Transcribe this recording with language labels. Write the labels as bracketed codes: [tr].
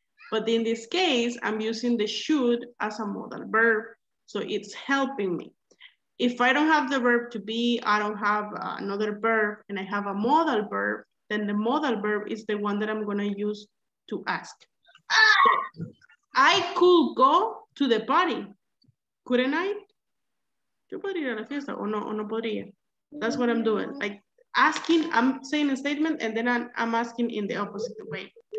[en] But in this case, I'm using the should as a modal verb, so it's helping me. If I don't have the verb to be, I don't have another verb, and I have a modal verb, then the modal verb is the one that I'm gonna use to ask. So, I could go to the party, couldn't I? [es] Yo podría ir a la fiesta, o no podría. [en] That's what I'm doing. Like asking, I'm saying a statement, and then I'm asking in the opposite way.